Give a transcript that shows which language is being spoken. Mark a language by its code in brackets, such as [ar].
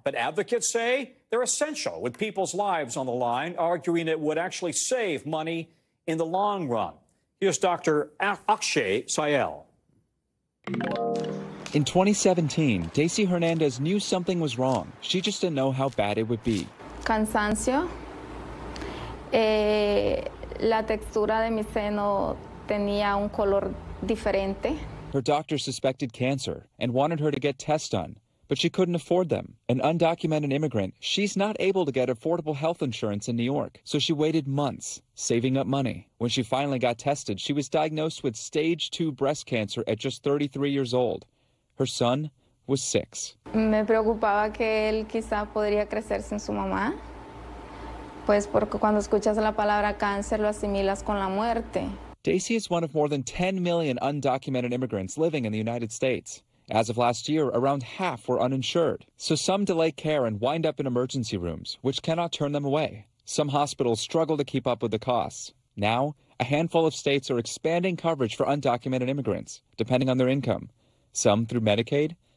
[en] But advocates say they're essential, with people's lives on the line, arguing it would actually save money in the long run. Here's Dr. Akshay Sayal. In 2017, Daisy Hernandez knew something was wrong. She just didn't know how bad it would be. [es] Cansancio. La textura de mi seno tenía un color diferente. [en] Her doctor suspected cancer and wanted her to get tests done, but she couldn't afford them. An undocumented immigrant, she's not able to get affordable health insurance in New York, so she waited months, saving up money. When she finally got tested, she was diagnosed with stage 2 breast cancer at just 33 years old. Her son was 6. [es] Me preocupaba que él quizá podría crecer sin su mamá. Pues porque cuando escuchas la palabra cáncer, lo asimilas con la muerte. [en] Daisy is one of more than 10 million undocumented immigrants living in the United States. As of last year, around half were uninsured. So some delay care and wind up in emergency rooms, which cannot turn them away. Some hospitals struggle to keep up with the costs. Now, a handful of states are expanding coverage for undocumented immigrants, depending on their income. Some through Medicaid,